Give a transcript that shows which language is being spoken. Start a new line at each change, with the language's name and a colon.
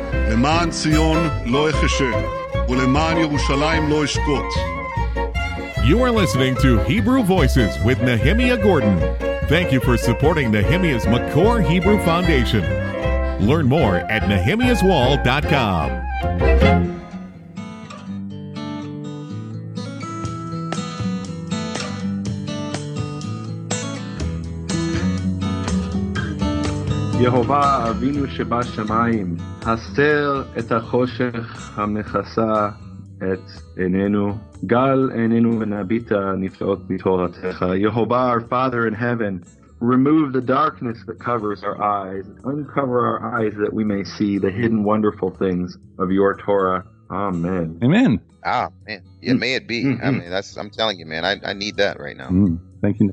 Hebrew: למען ציון לא אחשה ולמען ירושלים לא אשקוט.
English: You are listening to Hebrew Voices with Nehemiah Gordon. Thank you for supporting Nehemiah's Makor Hebrew Foundation. Learn more at nehemiahswall.com.
Hebrew: יהוה אבינו שבשמיים, הסתר את החושך המכסה את עינינו, גל עינינו ונביטה נפלאות מתורתך.
English: יהוה, our Father in heaven, remove the darkness that covers our eyes, uncover our eyes that we may see the hidden wonderful things of your Torah. Amen. Amen. Ah, man. Yeah, may it be. Mm-hmm. I mean, that's, I'm telling you, man, I need that right now. Thank you.